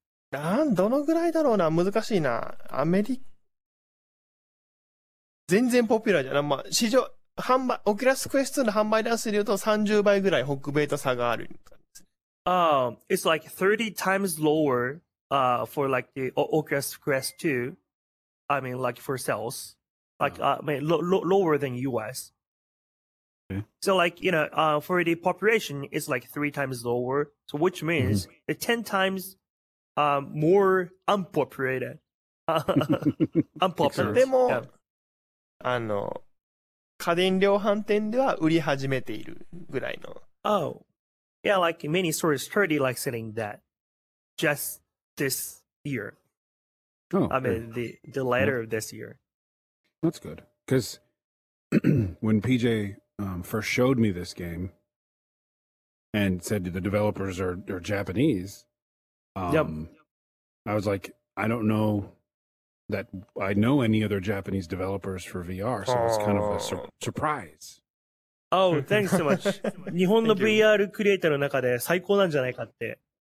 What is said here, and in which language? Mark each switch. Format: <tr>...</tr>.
<ja>どのぐらいだろうな難しいな。アメリカ全然ポピュラーじゃない。まあ、市場、販売、オキュラスクエスト2の販売台数で言うと30倍ぐらい北米と差がある。</ja> <en>It's like 30 times lower. For like the Oculus Quest 2, I mean like for sales, like lower than US. Okay. So like, you know, for the population, it's like 3 times lower, so which means the 10 times more unpopulated. Unpopular.</en> <ja>でも、yeah. 家電量販店では売り始めているぐらいの。</ja> <en>Oh, yeah, like many stores already like selling that. Just... This year. Oh, I mean, the latter of this year. That's good. Because when PJ first showed me this game and said the developers are Japanese, I was like, I don't know that I know any other Japanese developers for VR. So it's kind of a surprise. Oh, thanks so much.</en> <ja>日本の VR クリエイターの中で最高なんじゃないかって。</ja>